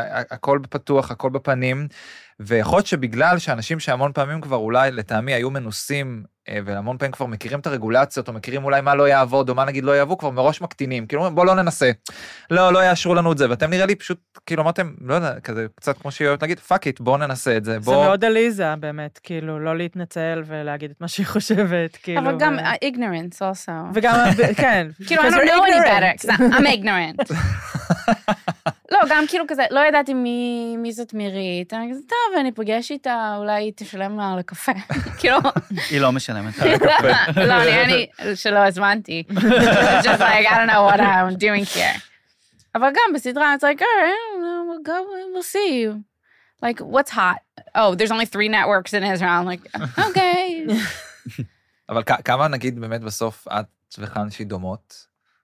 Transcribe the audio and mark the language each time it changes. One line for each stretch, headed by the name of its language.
Hebrew: הכל בפתוח, הכל בפנים, ויכול להיות שבגלל שאנשים שהמון פעמים כבר אולי לטעמי היו מנוסים, והמון פעמים כבר מכירים את הרגולציות, או מכירים אולי מה לא יעבוד, או מה נגיד לא יעבור, כבר מראש מקטינים, כאילו, בוא לא ננסה. לא, לא יאשרו לנו את זה, ואתם נראה לי פשוט, כאילו, אמרתם, לא יודע, כזה קצת כמו שאוהבת להגיד, פאק איט, בוא ננסה את זה, בוא... זה מאוד אליזה, באמת, כאילו, לא להתנצל ולהגיד את מה שהיא חושבת, כאילו... אבל גם
English: ignorance also.
Hebrew: וגם, כן.
English: כאילו, I don't know any better, I'm ignorant.
Hebrew: לא, גם כאילו כזה, לא ידעתי מי זאת מירית, אני כזה, טוב, אני פוגש איתה, אולי תשלם לה לקפה, כאילו. היא לא משלמת לה לקפה. לא, אני שלא הזמנתי.
English: Just like, I don't know what I'm doing here.
Hebrew: אבל גם בסדרה,
English: it's like, all right, we'll see you. Like, what's hot? Oh, there's only three networks in Israel. I'm like, okay.
Hebrew: אבל כמה נגיד באמת בסוף את וכאן שהיא דומות?